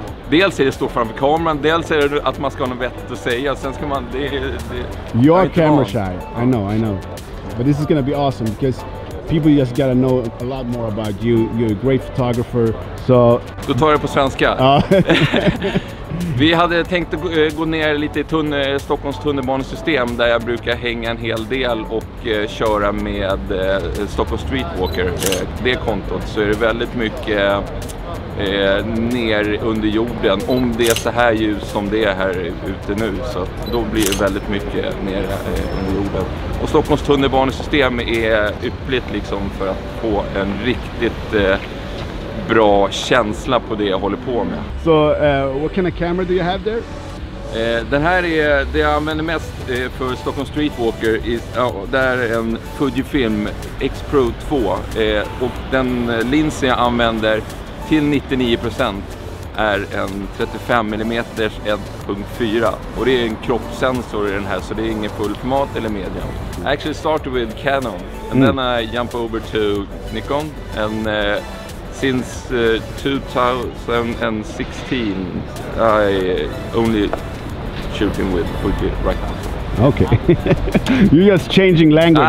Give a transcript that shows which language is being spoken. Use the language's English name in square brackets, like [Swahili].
[Swedish] Dels är det stå framför kameran, dels är det att man ska ha något vettigt att säga. Sen ska man... [English] You're camera shy. I know. But this is gonna be awesome because people just gotta know a lot more about you. You're a great photographer, so... [Swedish] Då tar jag på svenska. Vi hade tänkt att gå ner lite i Stockholms tunnelbanesystem där jag brukar hänga en hel del och köra med Stockholms Streetwalker, det kontot. Så är det väldigt mycket ner under jorden, om det är så här ljus som det är här ute nu. Så att då blir det väldigt mycket ner under jorden. Och Stockholms tunnelbanesystem är ypperligt liksom för att få en riktigt... bra känsla på det jag håller på med. [English] So, what kind of camera do you have there? [Swedish] Den här är det jag använder mest för Stockholm Streetwalker. Det är en Fujifilm X-PRO2 och den linsen jag använder till 99% är en 35 mm 1.4 och det är en kroppssensor i den här, så det är ingen fullformat eller medium. [English] I actually started with Canon and then I jump over to Nikon and since 2016, I only shooting with Fuji right now. Okay, you're just changing language.